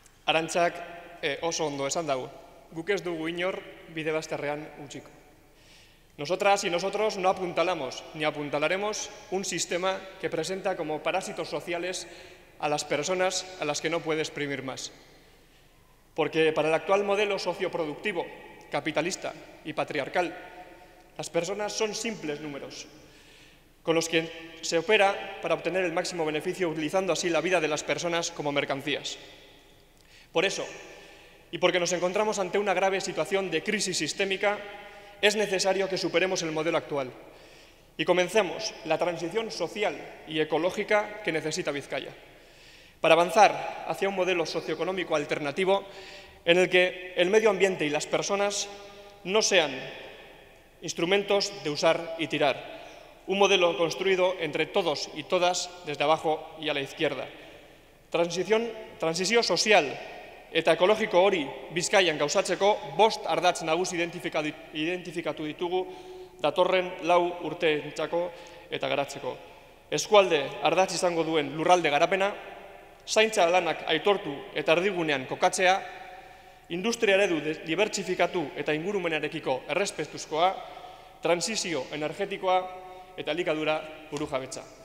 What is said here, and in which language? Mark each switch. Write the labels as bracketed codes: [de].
[eu] Arantzak oso ondo esan dago, guk ez dugu inor bide bazterrean utziko. [es] Nosotras y nosotros no apuntalamos ni apuntalaremos un sistema que presenta como parásitos sociales a las personas a las que no puede exprimir más. Porque para el actual modelo socioproductivo, capitalista y patriarcal, las personas son simples números con los que se opera para obtener el máximo beneficio utilizando así la vida de las personas como mercancías. Por eso, y porque nos encontramos ante una grave situación de crisis sistémica, es necesario que superemos el modelo actual y comencemos la transición social y ecológica que necesita Vizcaya, para avanzar hacia un modelo socioeconómico alternativo en el que el medio ambiente y las personas no sean instrumentos de usar y tirar, un modelo construido entre todos y todas desde abajo y a la izquierda. Transición social [eu] eta ekologiko hori Bizkaian gauzatzeko bost ardatz nagusi identifikatu ditugu datorren lau urteentzako eta garatzeko. Eskualde ardatz izango duen lurralde garapena, zaintza lanak aitortu eta erdigunean kokatzea, industria eredu dibertsifikatu eta ingurumenarekiko errespetuzkoa, transizio energetikoa eta elikadura burujabetza.